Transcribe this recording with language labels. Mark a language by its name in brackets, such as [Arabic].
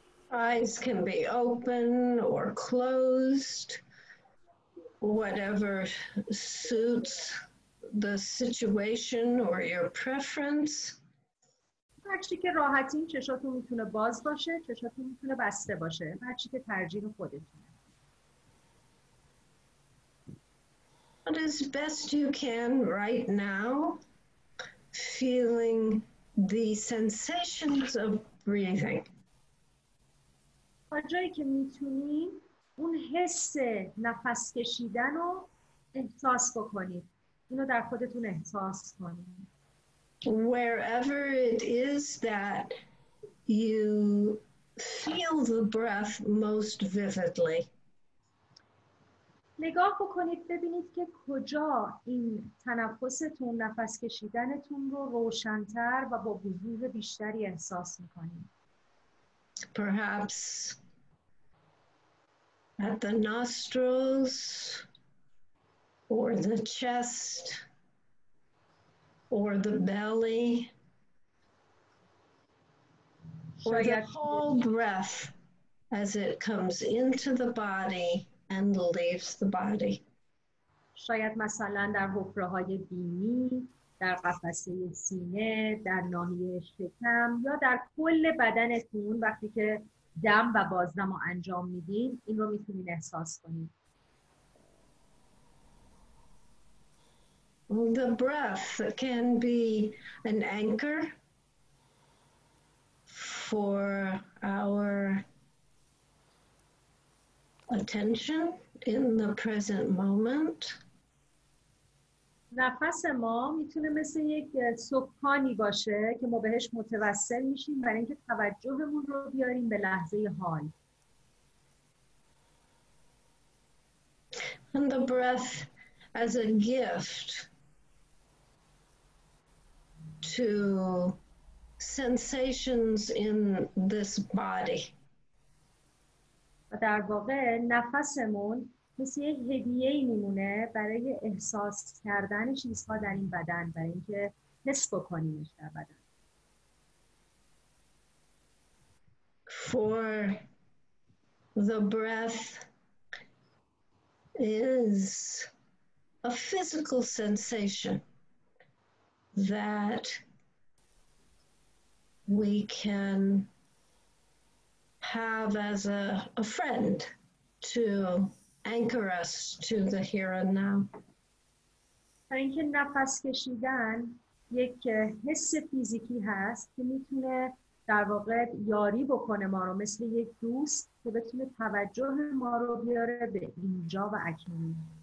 [English] Eyes can be open or closed, whatever suits the situation or your preference. [Persian] هرچی که راحتین چشاتون میتونه باز باشه، چشاتون میتونه بسته باشه، هرچی که ترجیح خودتون. [English] But as best you can right now, feeling the sensations of breathing. [Persian] جایی که میتونید اون حس نفس کشیدن رو احساس بکنید، اینو در خودتون احساس کنید. [English] Wherever it is that you feel the breath most vividly. [Persian] نگاه بکنید ببینید که کجا این تنفستون، نفس کشیدنتون رو روشن‌تر و با وضوح بیشتری احساس میکنید. [English] Perhaps at the nostrils or the chest or the belly or the whole breath as it comes into the body and leaves the body. [Persian] شاید مثلا در حفره‌های بینی، در قفسه سینه، در ناحیه شکم یا در کل بدنتون وقتی که دم و بازدم رو انجام میدین، این رو میتونین احساس کنین. [English] The breath can be an anchor for our attention in the present moment. [Persian] نفس ما میتونه مثل یک سکانی باشه که ما بهش متوسل میشیم برای اینکه توجهمون رو بیاریم به لحظه حال. [English] And the breath as a gift to sensations in this body. [Persian] و در واقع نفسمون مثل یه هدیه میمونه برای احساس کردن چیزها در این بدن، برای اینکه حس بکنیمش در بدن. [English] For the breath is a physical sensation that we can have as a friend to anchor us to the here and now. [Persian] برای اینکه نفس کشیدن یک حس فیزیکی هست که میتونه در واقع یاری بکنه ما رو، مثل یک دوست که بتونه توجه ما رو بیاره به اینجا و اکنون.